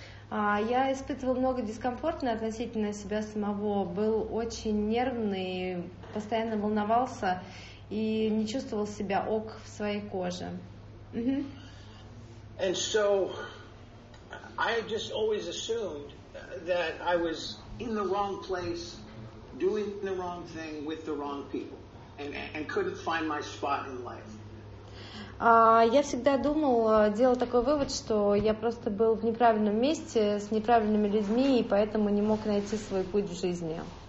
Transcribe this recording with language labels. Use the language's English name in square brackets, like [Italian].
[Russian] Я испытывал много дискомфорта относительно себя самого, был очень нервный, постоянно волновался и не чувствовал себя ок в своей коже. [English] And so I just always assumed that I was in the wrong place, doing the wrong thing with the wrong people, and couldn't find my spot in life. [Russian] Я всегда думал, делал такой вывод, что я просто был в неправильном месте с неправильными людьми и поэтому не мог найти свой путь в жизни.